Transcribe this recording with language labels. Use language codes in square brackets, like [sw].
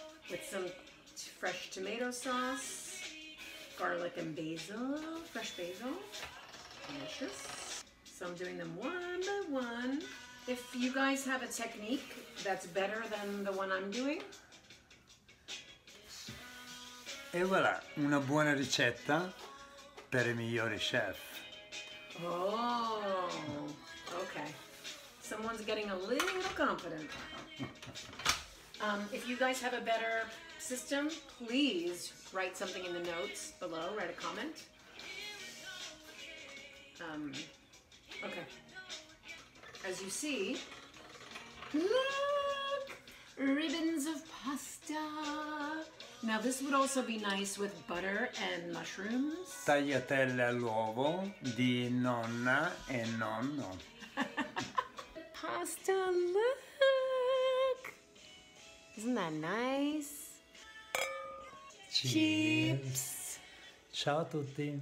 [en] With some fresh tomato sauce, garlic and basil, fresh basil, delicious. So I'm doing them one by one. If you guys have a technique that's better than the one I'm doing, [it] E voilà, una buona ricetta per i migliori chef. [en] Oh, ok. Someone's getting a little confident. If you guys have a better system, please write something in the notes below, write a comment. Okay. As you see, look! Ribbons of pasta. Now this would also be nice with butter and mushrooms. [it] Tagliatelle all'uovo di nonna e nonno. [en] Pasta, look! Isn't that nice? [it] Chips! Ciao a tutti!